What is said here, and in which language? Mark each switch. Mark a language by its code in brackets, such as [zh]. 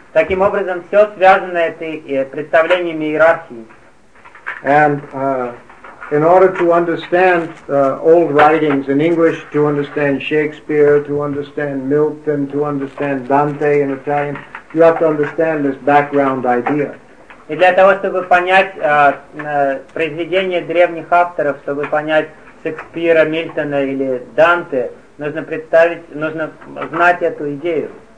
[ru] Таким образом, все связано этой представлением иерархии. [en] And in order to understand old writings in English, to understand Shakespeare, to understand Milton, to understand Dante in Italian, you have to understand this background idea. [ru] И для того, чтобы понять произведения древних авторов, чтобы понять Шекспира, Мильтона или Данте, нужно знать эту идею.